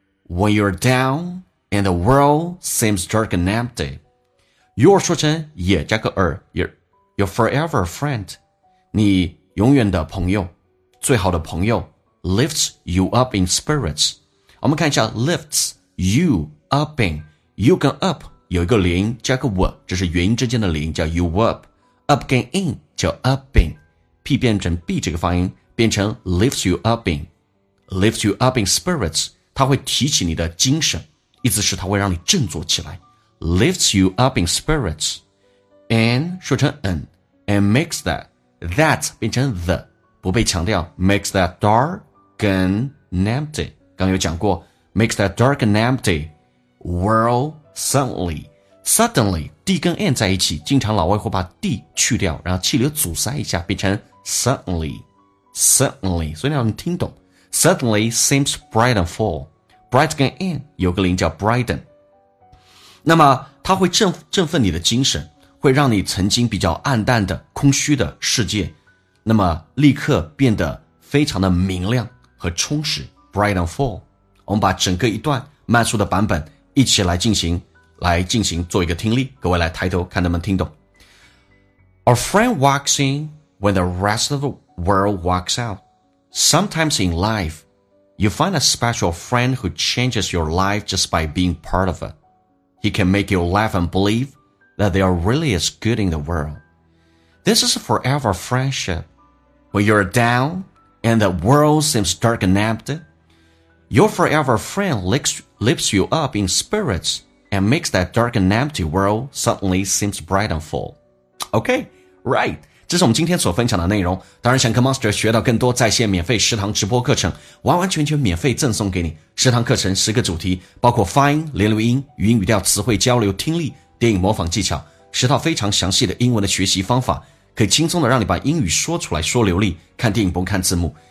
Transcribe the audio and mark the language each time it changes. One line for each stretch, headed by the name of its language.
English: When you're down and the world seems dark and empty.
Chinese: You're 说成也加个儿 your forever friend. 你永远的朋友最好的朋友
English: lifts you up in spirits.
Chinese: 我们看一下
English: lifts you up in.
Chinese: You 跟 up 有一个零加个 w, 这是元音之间的零叫 you up. Up 跟 in 叫 up in. P 变成 B 这个发音变成 lifts you up in.
English: Lifts you up in spirits.
Chinese: 它会提起你的精神，意思是它会让你振作起来。
English: Lifts you up in spirits. And 说成 an, and makes that, that 变成 the, 不被强调 makes that dark and empty.
Chinese: 刚有讲过
English: makes that dark and empty world suddenly.
Chinese: Suddenly, D 跟 N 在一起，经常老外会把 D 去掉，然后气流阻塞一下，变成 suddenly, suddenly. 所以你要能听懂。
English: Suddenly seems bright and full. Bright 跟 in 有个零叫 brighten.
Chinese: 那么它会振奋你的精神，会让你曾经比较暗淡的空虚的世界，那么立刻变得非常的明亮和充实。
English: Bright and full.
Chinese: 我们把整个一段慢速的版本一起来进行做一个听力，各位来抬头看能不能听懂。
English: A friend walks in when the rest of the world walks out. Sometimes in life, you find a special friend who changes your life just by being part of it. He can make you laugh and believe that there are really is good in the world. This is a forever friendship. When you're down and the world seems dark and empty, your forever friend lifts you up in spirits and makes that dark and empty world suddenly seems bright and full. Okay, right.
Chinese: 这是我们今天所分享的内容。当然想跟 Master 学到更多在线免费食堂直播课程，完完全全免费赠送给你。食堂课程十个主题，包括发音、连读音、语音语调、词汇交流、听力、电影模仿技巧，十套非常详细的英文的学习方法，可以轻松的让你把英语说出来说流利，看电影不用看字幕。